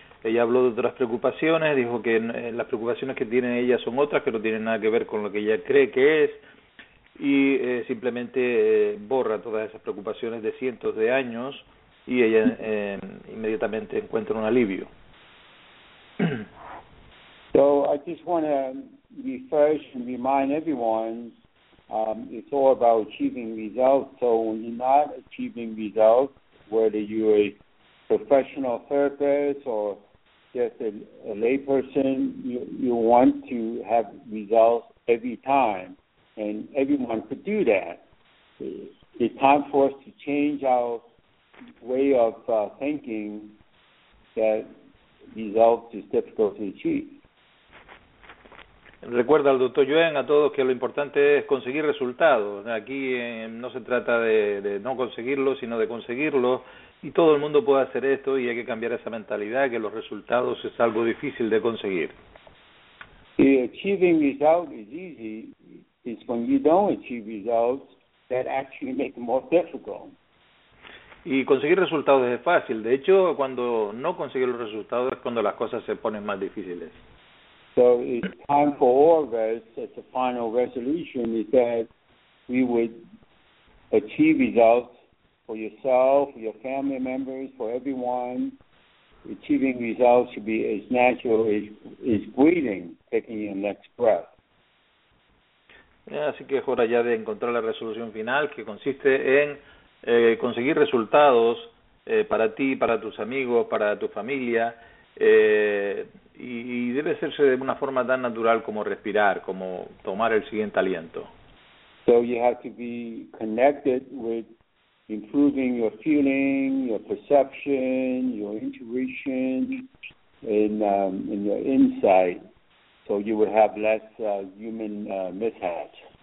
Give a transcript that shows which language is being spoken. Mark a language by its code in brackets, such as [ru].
[es] Ella habló de otras preocupaciones, dijo que las preocupaciones que tiene ella son otras, que no tienen nada que ver con lo que ella cree que es, y simplemente borra todas esas preocupaciones de cientos de años, y ella inmediatamente encuentra un alivio. [en] So I just want to refresh and remind everyone, it's all about achieving results. So when you're not achieving results, whether you're a professional therapist or just a lay person, you want to have results every time, and everyone could do that. It's time for us to change our way of thinking that results is difficult to achieve. [es] Recuerda al doctor Yuen a todos que lo importante es conseguir resultados. Aquí no se trata de no conseguirlo, sino de conseguirlo. Y todo el mundo puede hacer esto, y hay que cambiar esa mentalidad, que los resultados es algo difícil de conseguir. [en] The achieving results is easy. It's when you don't achieve results that actually make it more difficult. [es] Y conseguir resultados es fácil. De hecho, cuando no consigues los resultados es cuando las cosas se ponen más difíciles. [en] So it's time for all of us as a final resolution is that we would achieve results for yourself, for your family members, for everyone. Achieving results should be as natural as breathing, taking your next breath. [es] Así que es hora ya de encontrar la resolución final, que consiste en conseguir resultados para ti, para tus amigos, para tu familia, y debe hacerse de una forma tan natural como respirar, como tomar el siguiente aliento. [en] So you have to be connected with improving your feeling, your perception, your intuition, and your insight, so you will have less human mishaps.